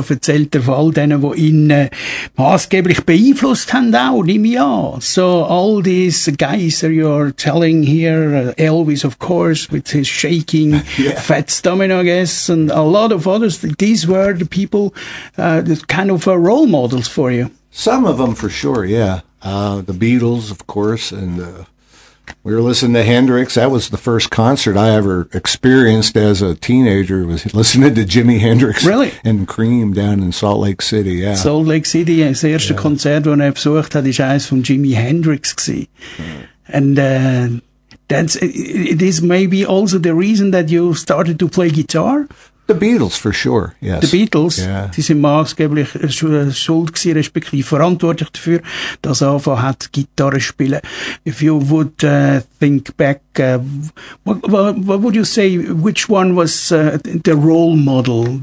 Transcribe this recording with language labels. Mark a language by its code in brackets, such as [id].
[de] Da erzählt er von all denen, die ihn maßgeblich beeinflusst haben auch. Nimm ich an. [en] So, all these guys that you're telling here, Elvis, of course, with his shaking Fats Domino, I guess, and a lot of others. These were the people, kind of role models for you. Some of them for sure, yeah. The Beatles, of course, and, we were listening to Hendrix. That was the first concert I ever experienced as a teenager, was listening to Jimi Hendrix. Really? And Cream down in Salt Lake City, yeah. [de] Salt Lake City, das erste Konzert, das er besucht hat, war eines von Jimi Hendrix. [en] And that's, this may be also the reason that you started to play guitar? The Beatles, for sure, yes. [de] The Beatles, sie sind maßgeblich schuld gsi, respektive verantwortlich dafür, dass er angefangen hat, Gitarre zu spielen. [en] If you would think back, what would you say, which one was the role model?